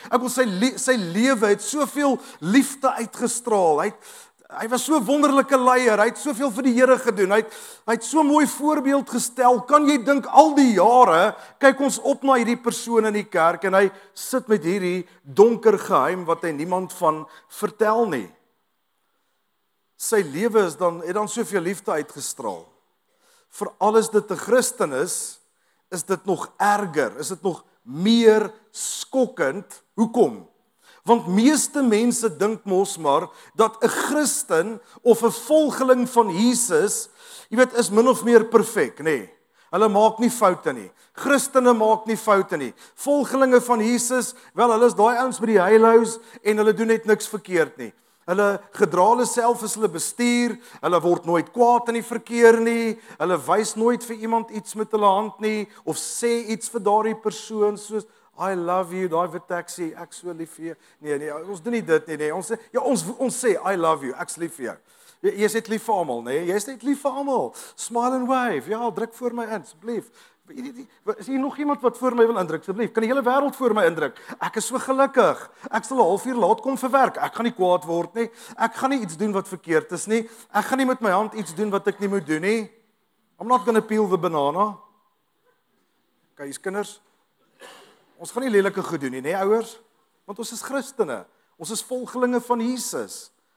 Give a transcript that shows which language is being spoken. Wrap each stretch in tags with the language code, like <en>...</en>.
<af>Ek wil sy lewe het soveel liefde uitgestraal, hy was so wonderlike leier, hy het soveel vir die Here gedoen, hy het so mooi voorbeeld gestel, kan jy dink al die jare, kyk ons op na hierdie persoon in die kerk, en hy sit met hierdie donker geheim wat hy niemand van vertel nie. Sy lewe is dan, het dan soveel liefde uitgestraal. Vir alles dit 'n Christen is dit nog erger, is dit nog meer skokkend. Hoekom? Want meeste mense dink mos maar, dat 'n Christen of 'n volgeling van Jesus, jy weet, is min of meer perfek, nee. Hulle maak nie foute nie. Christene maak nie foute nie. Volgelinge van Jesus, wel, hulle is daai ouens by die heilhuis, en hulle doen net niks verkeerd nie. Hulle gedra hulle self as hulle bestuur, hulle word nooit kwaad in die verkeer nie, hulle wys nooit vir iemand iets met hulle hand nie, of sê iets vir daardie persoon, soos,</af> <en>I love you,</en> <af>daai wit taxi, ek so lief vir jou. Nee, ons doen nie dit nie, ons sê,</af> <en>I love you,</en> <af>ek's lief vir jou. Jy is net lief vir almal, nee, jy is net lief vir almal.</af> <en>Smile and wave,</en> <af>ja, druk voor my in, asseblief. Is hier nog iemand wat voor my wil indruk, asseblief? Kan die hele wêreld voor my indruk? Ek is so gelukkig. Ek sal 1/2 uur laat kom vir werk. Ek gaan nie kwaad word nie. Ek gaan nie iets doen wat verkeerd is nie. Ek gaan nie met my hand iets doen wat ek nie moet doen nie.</af> <en>I'm not gonna peel the banana. Okay,</en> <af>hier's kinders. Ons gaan nie lelike goed doen nie, ouers? Want ons is Christene. Ons is volgelinge van Jesus.</af>